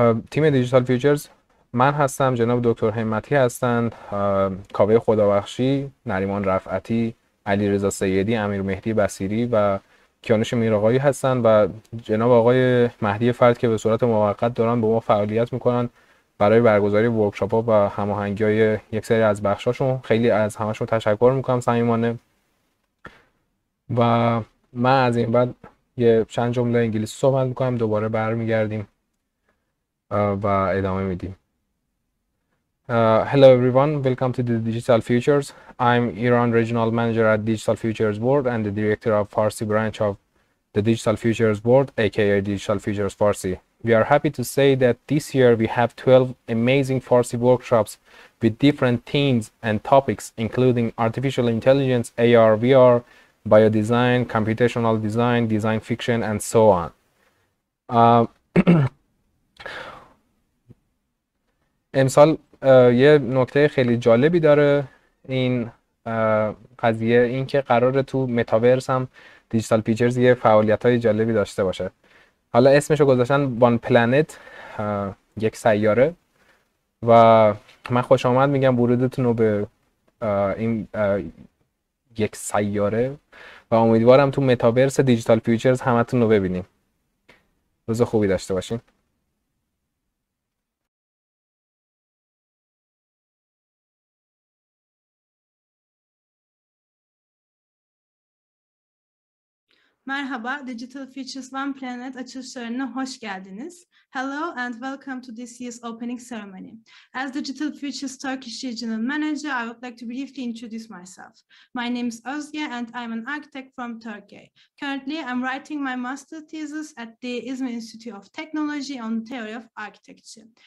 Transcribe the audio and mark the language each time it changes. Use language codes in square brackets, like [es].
[fa] تیم دیجیتال فیوچرز، من هستم، جناب دکتر همتی هستند، کاوه خدابخشی، نریمان رفعتی، علیرضا سیدی، امیر مهدی بصیری و کیانوش میرآقایی هستند و جناب آقای مهدی فرد که به صورت موقت دارن به ما فعالیت میکنن برای برگزاری ورکشاپ ها و هماهنگی های یک سری از بخشاشون. خیلی از همشون تشکر میکنم صمیمانه و من از این بعد یه چند جمله انگلیسی صحبت میکنم، دوباره برمیگردیم و ادامه میدیم. [en] Hello everyone, welcome to the Digital Futures. I'm Iran Regional Manager at Digital Futures Board and the Director of Farsi Branch of the Digital Futures Board, aka Digital Futures Farsi. We are happy to say that this year we have 12 amazing Farsi workshops with different themes and topics, including artificial intelligence, AR, VR, biodesign, computational design, design fiction, and so on. [fa] امسال یه نکته خیلی جالبی داره این قضیه، این که قراره تو متاورس هم دیجیتال فیچرز یه فعالیت‌های جالبی داشته باشه. حالا اسمشو گذاشتن وان پلنت، یک سیاره، و من خوش آمد میگم ورودتون رو به این یک سیاره و امیدوارم تو متاورس دیجیتال فیچرز همتون رو ببینیم. روز خوبی داشته باشین. [tr] Merhaba, Digital Futures One Planet açılış törenine hoş geldiniz. [en] Hello and welcome to this year's opening ceremony. As Digital Futures Turkish Regional Manager, I would like to briefly introduce myself. My name is Özge and I'm an architect from Turkey. Currently, I'm writing my master thesis at the İzmir Institute of Technology on the theory of architecture.